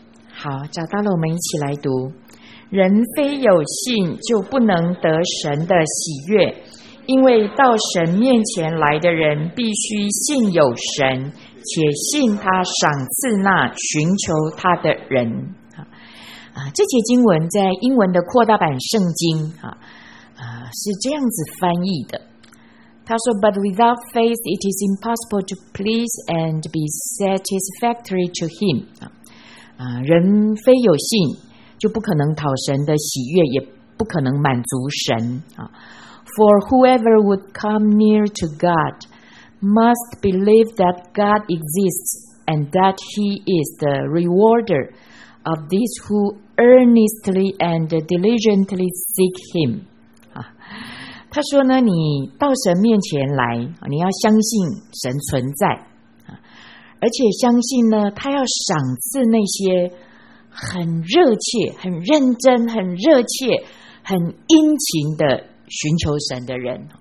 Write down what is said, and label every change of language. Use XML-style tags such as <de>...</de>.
<zh>好，找到了，我们一起来读。人非有信就不能得神的喜悦，因为到神面前来的人必须信有神，且信他赏赐那寻求他的人。这节经文在英文的扩大版圣经是这样子翻译的，他说</zh> <en>But without faith it is impossible to please and be satisfactory to him。</en> <zh>人非有信就不可能讨神的喜悦，也不可能满足神。</zh> <en>For whoever would come near to God must believe that God exists and that he is the rewarder of these who earnestly and diligently seek him。</en> <zh>他说呢，你到神面前来，你要相信神存在，而且相信呢，他要赏赐那些很热切、很认真、很热切、很殷勤的寻求神的人。</zh>